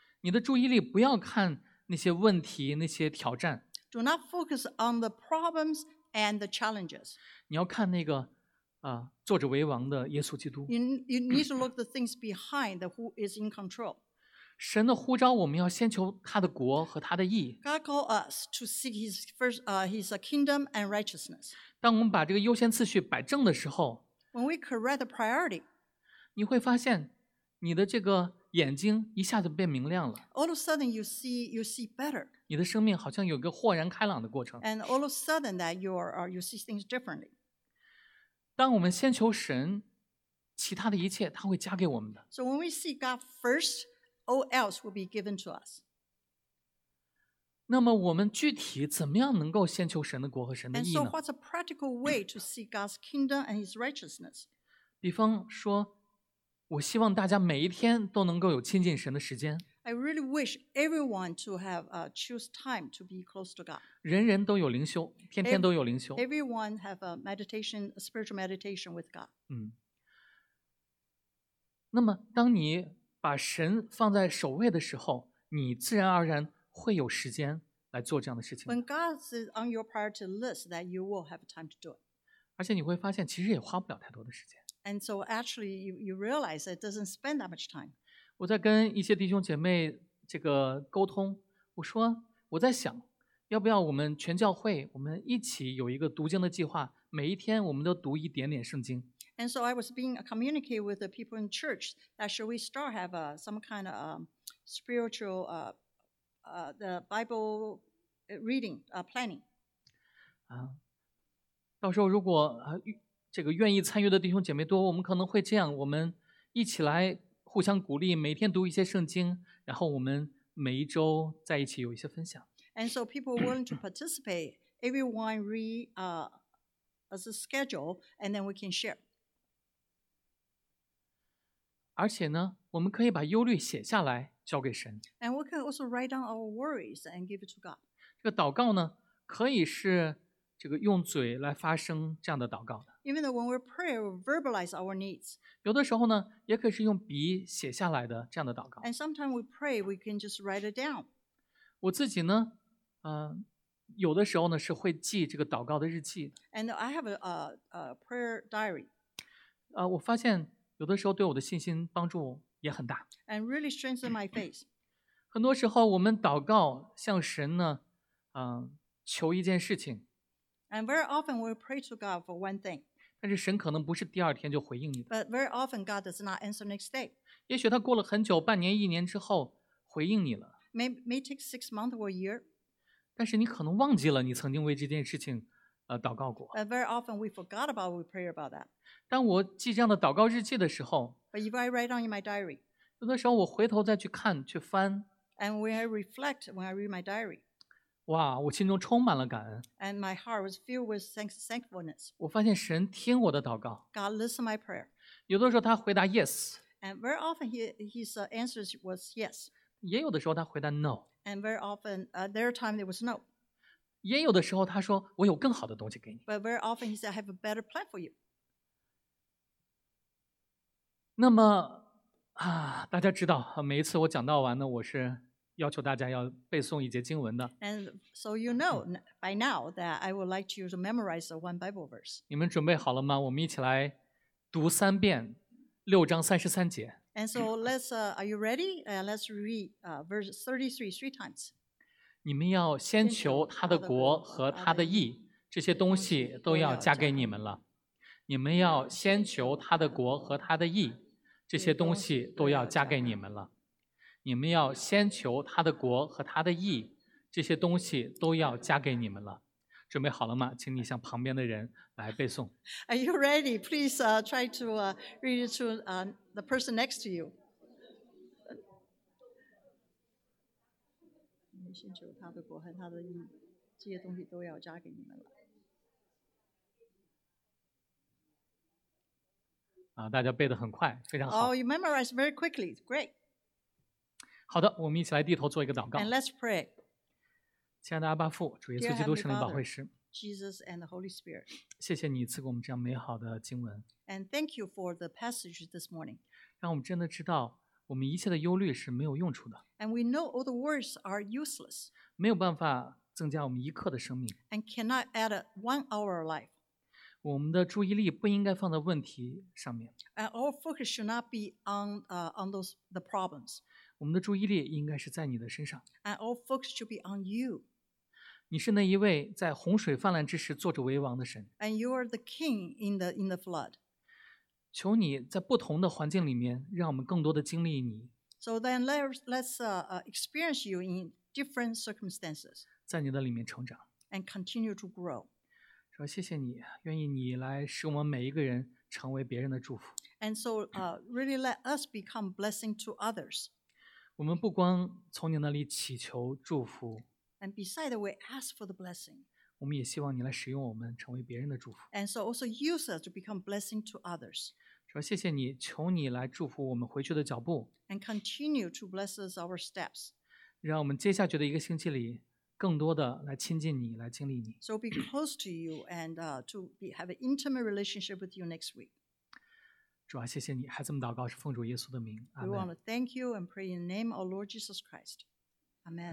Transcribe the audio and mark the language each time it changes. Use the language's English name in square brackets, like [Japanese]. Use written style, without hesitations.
[Chinese] 你的注意力不要看那些问题，那些挑战。 [English] Do not focus on the problems and the challenges. [Chinese] 你要看那个坐着为王的耶稣基督。 [English] You need to look the things behind who is in control. [Chinese] 神的呼召，我们要先求他的国和他的义。 [English] God called us to seek his first, his kingdom and righteousness. [Chinese] 当我们把这个优先次序摆正的时候 [English] ，When we correct the priority, [Chinese] 你会发现你的这个眼睛一下子变明亮了。 [English] All of a sudden, you see better. [Chinese] 你的生命好像有个豁然开朗的过程。 [English] And all of a sudden, that you see things differently. [Chinese] 当我们先求神，其他的一切他会加给我们的。 [English] So when we seek God first, all else will be given to us. [Chinese] 那么我们具体怎么样能够先求神的国和神的义呢 [English] ？And so, what's a practical way to seek God's kingdom and His righteousness? [Chinese] 比方说。我希望大家每一天都能够有亲近神的时间。 [English] I really wish everyone to have choose time to be close to God. [Chinese] 人人都有灵修，天天都有灵修。 [English] Everyone have a meditation, a spiritual meditation with God. [Chinese] 那么，当你把神放在首位的时候，你自然而然会有时间来做这样的事情。 [English] When God is on your priority list, that you will have time to do it. [Chinese] 而且你会发现，其实也花不了太多的时间。 [English] And so actually you realize it doesn't spend that much time. [Chinese] 我在跟一些弟兄姐妹这个沟通，我说我在想，要不要我们全教会我们一起有一个读经的计划，每一天我们都读一点点圣经。 [English] And so I was being communicated with the people in church that should we start have some kind of spiritual the Bible reading planning. [Chinese] 到时候如果这个愿意参与的弟兄姐妹多，我们可能会这样，我们一起来互相鼓励，每天读一些圣经，然后我们每一周在一起有一些分享。 [English] And so people willing to participate, everyone read as a schedule, and then we can share. [Chinese] 而且呢，我们可以把忧虑写下来，交给神。 [English] And we can also write down our worries and give it to God. [Chinese] 这个祷告呢，可以是这个用嘴来发声这样的祷告的。 [English] Even though when we pray, we verbalize our needs. [Chinese] 有的时候呢，也可以是用笔写下来的这样的祷告。 [English] And sometimes we pray, we can just write it down. [Chinese] 我自己呢，有的时候呢是会记这个祷告的日记。 [English] And I have a prayer diary. [Chinese] 我发现有的时候对我的信心帮助也很大。 [English] And really strengthen my faith. [Chinese] 很多时候我们祷告向神呢，求一件事情。 [English] And very often we pray to God for one thing. [Chinese] 但是神可能不是第二天就回应你的。 [English] But very often God does not answer next day. [Chinese] 也许他过了很久，半年、一年之后回应你了。 [English] May take 6 months or a year. [Chinese] 但是你可能忘记了你曾经为这件事情，祷告过。 [English] But very often we forgot about we pray about that. [Chinese] 当我记这样的祷告日记的时候 [English] ，But if I write down in my diary. [Chinese] 有的时候我回头再去看去翻。 [English] And when I reflect when I read my diary. [Chinese] 哇，我心中充满了感恩。 [English] And my heart was filled with thankfulness. [Chinese] 我发现神听我的祷告。 [English] God listened my prayer. [Chinese] 有的时候他回答 [English] yes. And very often his answer was yes. [Chinese] 也有的时候他回答 [English] no. And very often, there are times it was no. [Chinese] 也有的时候他说我有更好的东西给你。 [English] But very often he said, I have a better plan for you. [Chinese] 那么，大家知道，每一次我讲到完呢，我是要求大家要背诵一节经文的。 [English] And so you know by now that I would like you to memorize one Bible verse. [Chinese] 你们准备好了吗？我们一起来读三遍六章三十三节。 [English] And so let's, are you ready? Let's read verse 33 three times. [Chinese] 你们要先求他的国和他的义，这些东西都要加给你们了。你们要先求他的国和他的义，这些东西都要加给你们了。你们要先求他的国和他的义，这些东西都要加给你们了。准备好了吗？请你向旁边的人来背诵。 [English] Are you ready? Please try to read it to the person next to you. [Chinese] 你们先求他的国和他的义，这些东西都要加给你们了。大家背得很快，非常好。 [English] Oh, you memorize very quickly. Great. [Chinese] 好的，我们一起来低头做一个祷告。 [English] And let's pray. [Chinese] 亲爱的阿爸父，主耶稣基督圣灵保惠师。 [English] Jesus and the Holy Spirit. [Chinese] 谢谢你赐给我们这样美好的经文。 [English] And thank you for the passage this morning. [Chinese] 让我们真的知道，我们一切的忧虑是没有用处的。 [English] And we know all the worries are useless. [Chinese] 没有办法增加我们一刻的生命。 [English] And cannot add one hour of life. [Chinese] 我们的注意力不应该放在问题上面。 [English] And our focus should not be on those the problems. [Chinese] 我们的注意力应该是在你的身上。 [English] And all focus should be on you. [Chinese] 你是那一位在洪水泛滥之时坐着为王的神。 [English] And you are the king in the flood. [Chinese] 求你在不同的环境里面让我们更多的经历你。 [English] So then let's experience you in different circumstances. [Chinese] 在你的里面成长。 [English] And continue to grow. [Chinese] 说谢谢你，愿意你来使我们每一个人成为别人的祝福。 [English] And so really let us become blessing to others. [Chinese] 我们不光从你那里祈求祝福 [English] ，and beside we ask for the blessing， [Chinese] 我们也希望你来使用我们成为别人的祝福 [English] ，and so also use us to become blessing to others。 [Chinese] 主，谢谢你，求你来祝福我们回去的脚步 [English] ，and continue to bless us our steps。 [Chinese] 让我们接下去的一个星期里，更多的来亲近你，来经历你。 [English] So be close to you and to be have an intimate relationship with you next week。 [Chinese] 主啊，谢谢你，孩子们祷告是奉主耶稣的名。 [English] We want to thank you and pray in the name of Lord Jesus Christ. Amen.